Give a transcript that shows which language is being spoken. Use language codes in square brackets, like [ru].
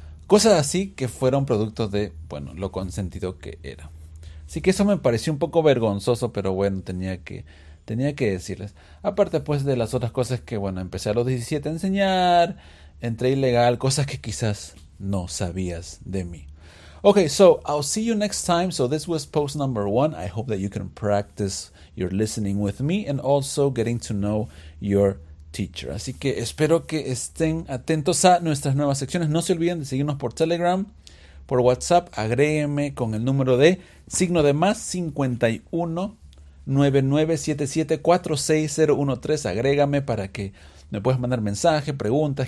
[es] Cosas así que fueron producto de, bueno, lo consentido que era. Así que eso me pareció un poco vergonzoso, pero bueno, tenía que decirles. Aparte pues de las otras cosas que, bueno, empecé a los 17 a enseñar entré ilegal, cosas que quizás no sabías de mí. [en] Okay, so I'll see you next time. So this was post number one. I hope that you can practice your listening with me and also getting to know your teacher. [es] Así que espero que estén atentos a nuestras nuevas secciones. No se olviden de seguirnos por Telegram, por WhatsApp. Agréguenme con el número de signo de más 51 99 77 46 013. Agrégame para que me puedas mandar mensaje, preguntas.